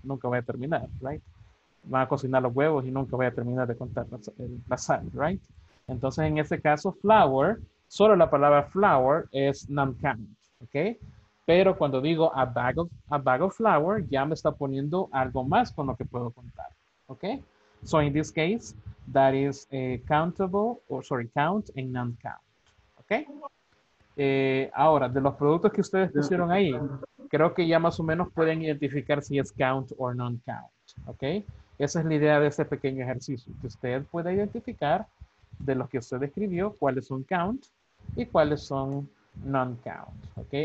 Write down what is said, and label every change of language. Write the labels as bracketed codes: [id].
[es] Nunca voy a terminar, right? Van a cocinar los huevos y nunca voy a terminar de contar la sal, right? Entonces, en este caso, flour, solo la palabra flour es non-count, ¿ok? Pero cuando digo [en] a bag of flour, [es] ya me está poniendo algo más con lo que puedo contar, ¿ok? [en] So, in this case, that is countable, or sorry, count and non-count, ¿ok? [es] Ahora, de los productos que ustedes pusieron ahí, creo que ya más o menos pueden identificar si es count or non-count, ¿ok? Esa es la idea de este pequeño ejercicio, que usted pueda identificar de los que usted escribió, cuáles son count y cuáles son non-count. ¿Okay?